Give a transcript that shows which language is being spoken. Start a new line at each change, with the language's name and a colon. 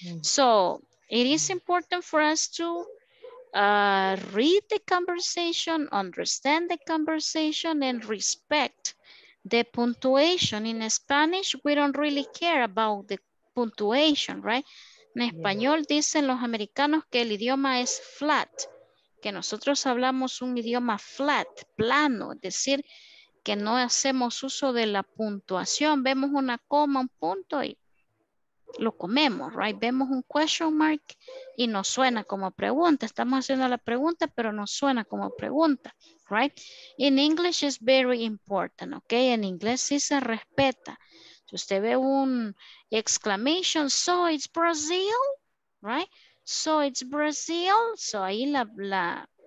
English: So it is important for us to read the conversation, understand the conversation, and respect the punctuation. In Spanish, we don't really care about the punctuation, right?
Spanish: En español dicen los americanos que el idioma es flat, que nosotros hablamos un idioma flat, plano, es decir, que no hacemos uso de la puntuación. Vemos una coma, un punto y lo comemos, right? Vemos un question mark y nos suena como pregunta. Estamos haciendo la pregunta, pero nos suena como pregunta, right?
English: In English is very important, okay?
Spanish: En inglés sí se respeta. Si usted ve un
English: exclamation, so it's Brazil, right? So it's Brazil. So ahí la